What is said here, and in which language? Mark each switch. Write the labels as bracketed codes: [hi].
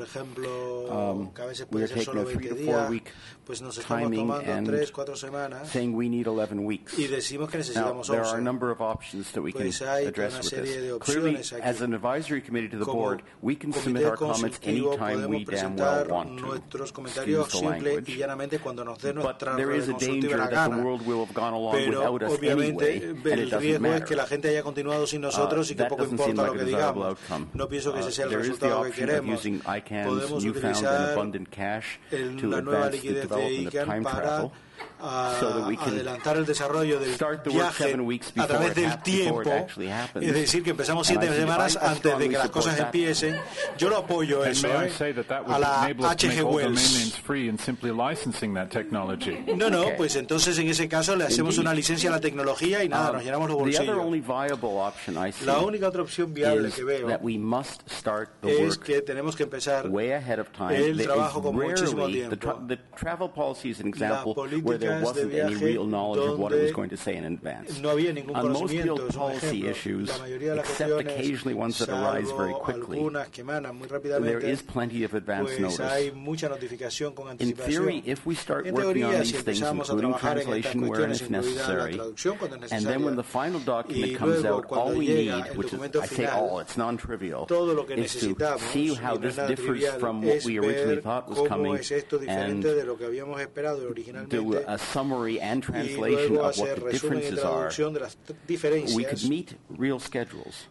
[en] We are taking a 3 to 4 week timing and saying we need 11 weeks. Now, there are a number of options that we can address with this. Clearly, as an advisory committee to the board, we can submit our comments anytime we damn well want to. [es] Los comentarios simple y llanamente cuando nos dé nuestra consultiva la gana. Pero obviamente el riesgo es que la gente haya continuado sin nosotros y que poco importa lo que digamos. No pienso que ese sea el resultado que queremos. Podemos utilizar la nueva liquidez de ICANN para adelantar el desarrollo del viaje a través del tiempo, es decir, que empezamos 7 semanas antes de que las cosas empiecen. Yo lo apoyo eso, a la H.G. Wells. No, pues entonces en ese caso le hacemos una licencia a la tecnología y nada, nos llenamos los bolsillos. La única otra opción viable que veo es que tenemos que empezar el trabajo con muchísimo tiempo. La política [en] there wasn't any real knowledge of what it was going to say in advance. [es] No había ningún conocimiento. [en] On most field policy issues, except occasionally ones that arise very quickly, there is plenty of advance notice. [es] Hay mucha notificación con anticipación. [en] In theory, if we start working on these things, including translation where it's necessary, and then when the final document comes out, all we need, which is, I say all, it's non-trivial, is to see how this differs from what we originally thought was coming, and do a summary and translation of what the differences are, we could meet real schedules.